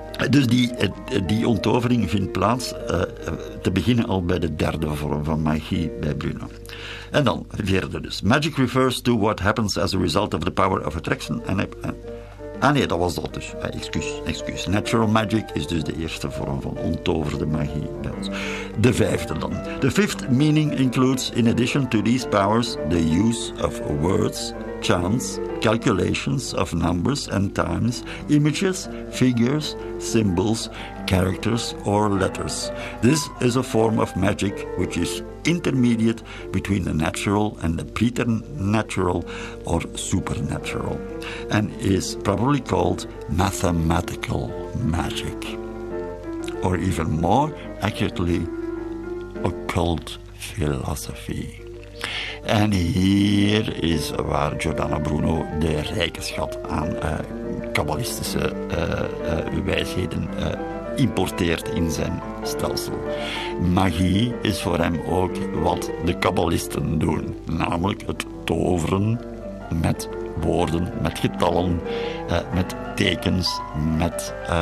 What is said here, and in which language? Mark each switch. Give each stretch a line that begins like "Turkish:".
Dutch: Dus die ontovering vindt plaats, te beginnen al bij de derde vorm van magie bij Bruno. En dan, vierde dus.
English: Magic refers to what happens as a result of the power of attraction.
Dutch: Dat was dat dus. Excuus.
English: Natural magic is
Dutch: dus de eerste vorm van ontoverde magie bij ons. De vijfde dan.
English: The fifth meaning includes, in addition to these powers, the use of words, chants, calculations of numbers and times, images, figures, symbols, characters or letters. This is a form of magic which is intermediate between the natural and the preternatural or supernatural, and is probably called mathematical magic, or even more accurately, occult philosophy.
Dutch: En hier is waar Giordano Bruno de rijke schat aan kabbalistische wijsheden geïmporteerd in zijn stelsel. Magie is voor hem ook wat de kabbalisten doen, namelijk het toveren met woorden, met getallen, met tekens, met...